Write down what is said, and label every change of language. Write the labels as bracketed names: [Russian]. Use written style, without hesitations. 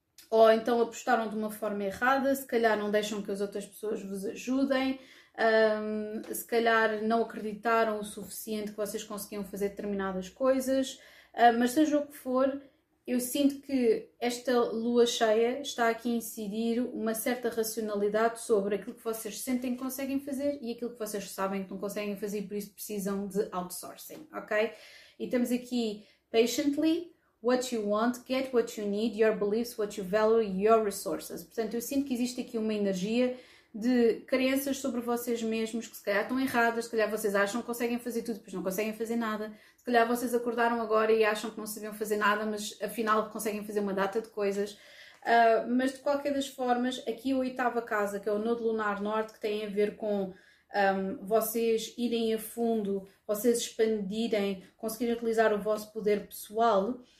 [Portuguese] Ou então apostaram de uma forma errada, se calhar não deixam que as outras pessoas vos ajudem, se calhar não acreditaram o suficiente que vocês conseguiam fazer determinadas coisas, mas seja o que for, eu sinto que esta lua cheia está aqui a incidir uma certa racionalidade sobre aquilo que vocês sentem que conseguem fazer e aquilo que vocês sabem que não conseguem fazer e por isso precisam de outsourcing, ok? E temos aqui patiently. [English] What you want, get what you need, your beliefs, what you value, your resources. [Portuguese] Portanto, eu sinto que existe aqui uma energia de crenças sobre vocês mesmos que se calhar estão erradas, se calhar vocês acham que conseguem fazer tudo, depois não conseguem fazer nada. Se calhar vocês acordaram agora e acham que não sabiam fazer nada, mas afinal conseguem fazer uma data de coisas. Mas de qualquer das formas, aqui a oitava casa, que é o Nodo Lunar Norte, que tem a ver com vocês irem a fundo, vocês expandirem, conseguirem utilizar o vosso poder pessoal.